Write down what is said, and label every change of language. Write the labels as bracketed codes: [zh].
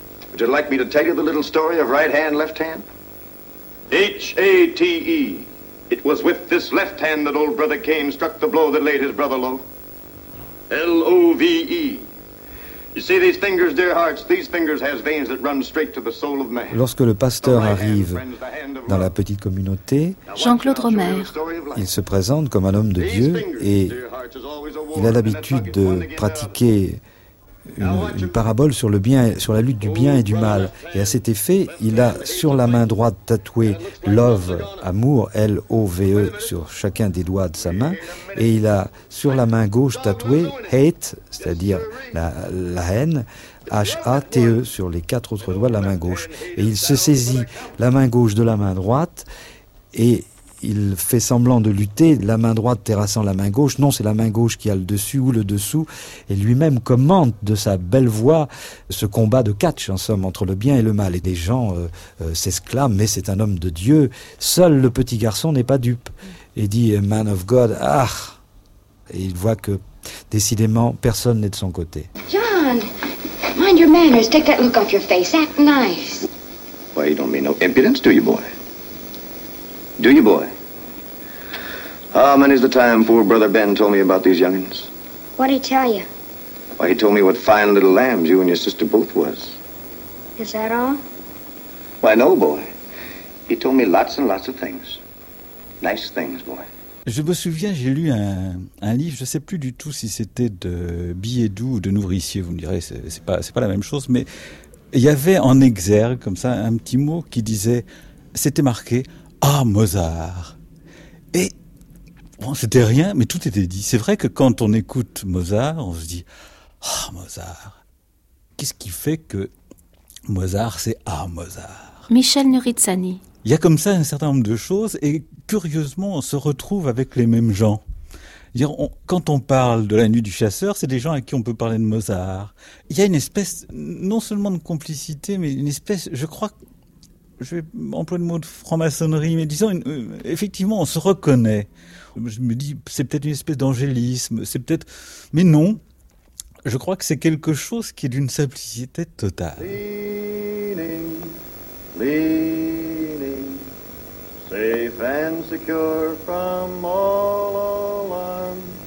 [en] Would you like me to tell you the little story of right hand, left hand? H-A-T-E. It was with this left hand that old brother Cain struck the blow that laid his brother low. L-O-V-E. You see these fingers, dear hearts, these fingers has veins that run straight to the soul of man. [fr] Lorsque le pasteur arrive dans la petite communauté, Jean-Claude Romer, il se présente comme un homme de Dieu et il a l'habitude de pratiquer une parabole sur le bien, sur la lutte du bien et du mal. Et à cet effet, il a sur la main droite tatoué Love, amour, L-O-V-E, sur chacun des doigts de sa main. Et il a sur la main gauche tatoué Hate, c'est-à-dire la haine, H-A-T-E, sur les quatre autres doigts de la main gauche. Et il se saisit la main gauche de la main droite et il fait semblant de lutter, la main droite terrassant la main gauche. Non, c'est la main gauche qui a le dessus ou le dessous. Et lui-même commente de sa belle voix ce combat de catch, en somme, entre le bien et le mal. Et des gens s'exclament, mais c'est un homme de Dieu. Seul le petit garçon n'est pas dupe. Et dit, [en] man of God, [fr] ah! Et il voit que, décidément, personne n'est de son côté. [en] John, mind your manners, take that look off your face, act nice. Why, you don't mean no impudence, do you, boy? Do you, boy? Ah, many's the time poor brother Ben told me about these youngins. What'd he tell you? Why, he told me what fine little lambs you and your sister both was. Is that all? Why, no, boy. He told me lots and lots of things. Nice things, boy. [fr] Je me souviens, j'ai lu un livre, je ne sais plus du tout si c'était de Biédou ou de Nourricier, vous me direz, c'est pas la même chose, mais il y avait en exergue, comme ça, un petit mot qui disait, c'était marqué... Ah, Mozart! Et bon, c'était rien, mais tout était dit. C'est vrai que quand on écoute Mozart, on se dit Ah, Mozart! Qu'est-ce qui fait que Mozart, c'est Ah, Mozart? Michel Nuritzani. Il y a comme ça un certain nombre de choses, et curieusement, on se retrouve avec les mêmes gens. C'est-à-dire, quand on parle de la nuit du chasseur, c'est des gens à qui on peut parler de Mozart. Il y a une espèce, non seulement de complicité, mais une espèce, je crois. Je vais employer le mot de franc-maçonnerie, mais disons, effectivement, on se reconnaît. Je me dis, c'est peut-être une espèce d'angélisme, c'est peut-être... Mais non, je crois que c'est quelque chose qui est d'une simplicité totale. [en] Leaning, leaning, safe and secure from all alarm.